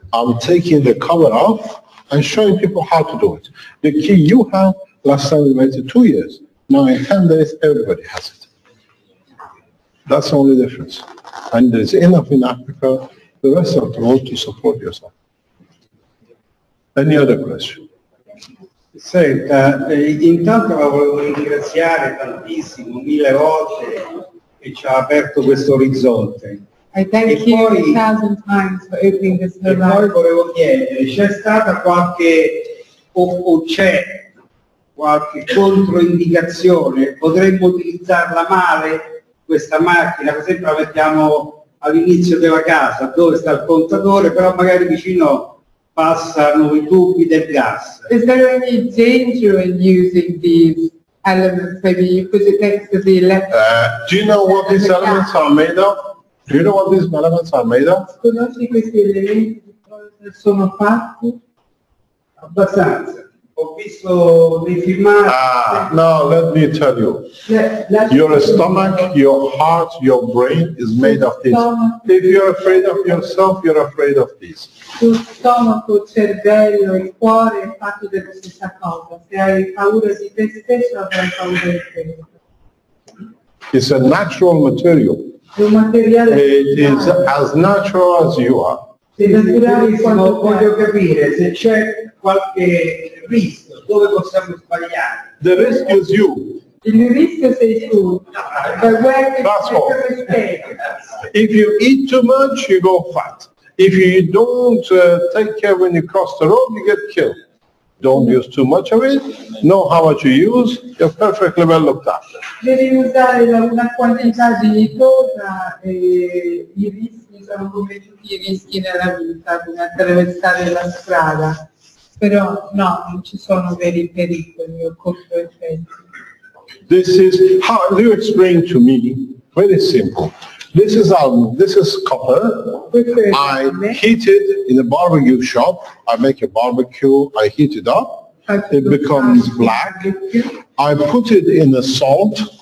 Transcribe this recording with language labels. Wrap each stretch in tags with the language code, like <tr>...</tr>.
<en>I'm taking the cover off and showing people how to do it. The key you have, last time we made it 2 years. Now in 10 days, everybody has it. That's the only difference. And there's enough in Africa, the rest of the world, to support yourself. Any other question?</en> <it>Senta, intanto la volevo ringraziare tantissimo, mille volte, che ci ha aperto questo orizzonte.</it> <en>I thank</en> <it>e</it> <en>you</en> <it>poi,</it> <en>a thousand times for opening this door.</en> <it>E poi life. Volevo chiedere, c'è stata qualche, o c'è qualche controindicazione? Potremmo utilizzarla male, questa macchina? Per esempio la mettiamo all'inizio della casa, dove sta il contatore, però magari vicino passano i tubi del gas.</it> <en>Is there any danger in using these elements, maybe because it takes to the electric? Do you know what these elements are made of? Do you know what these elements are made of?</en> <it>Conosci questi elementi? Sono fatti? Abbastanza. Ho visto dei filmati.</it> <en>No, let me tell you. Your stomach, your heart, your brain is made of this. If you're afraid of yourself, you're afraid of this.</en> <it>Il stomaco, il cervello, il cuore è fatto della stessa cosa. Se hai paura di te stesso, avrai paura di te.</it> <en>It's a natural material.</en> <it>Il materiale</it> <en>it is as natural as you are.</en> <it>Se naturale, quando voglio capire se c'è qualche rischio, dove possiamo sbagliare.</it> <en>The risk is you.</en> <it>Il rischio sei tu.</it> <en>That's all. If you eat too much, you go fat. If you don't take care when you cross the road, you get killed. Don't use too much of it. Know how much you use. You're perfectly well looked after.</en> <it>Devi usare una quantità di cosa e i rischi sono come tutti i rischi nella vita, di attraversare la strada. Però no, non ci sono veri pericoli o controeffetti.</it> <en>This is how do you explain to me? Very simple. This is copper. I heat it in a barbecue shop. I make a barbecue. I heat it up. It becomes black. I put it in the salt.</en>